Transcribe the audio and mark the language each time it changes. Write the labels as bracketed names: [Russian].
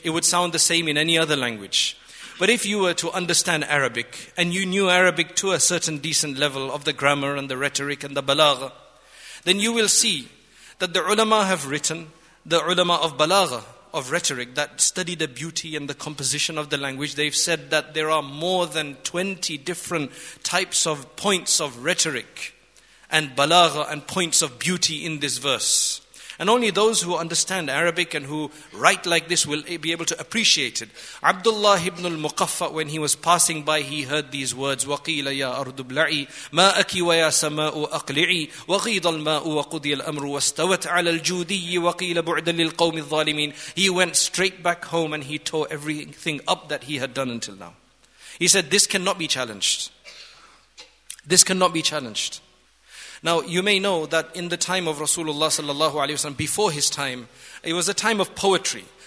[English] It would sound the same in any other language. But if you were to understand Arabic, and you knew Arabic to a certain decent level of the grammar and the rhetoric and the balagha, then you will see that the ulama have written, the ulama of balagha, of rhetoric, that study the beauty and the composition of the language, they've said that there are more than 20 different types of points of rhetoric and balagha and points of beauty in this verse. And only those who understand Arabic and who write like this will be able to appreciate it. Abdullah ibn al-Muqaffa, when he was passing by, he heard these words, [Arabic] وَقِيلَ يَا أَرْضُ بْلَعِي مَاءَكِ وَيَا سَمَاءُ أَقْلِعِي وَغِيضَ الْمَاءُ وَقُضِيَ الْأَمْرُ وَاسْتَوَتْ عَلَى الْجُودِيِّ وَقِيلَ بُعْدًا لِلْقَوْمِ الظَّالِمِينَ. [English] He went straight back home and he tore everything up that he had done until now. He said, this cannot be challenged. This cannot be challenged. Now, you may know that in the time of Rasulullah sallallahu alaihi wasallam, before his time, it was a time of poetry.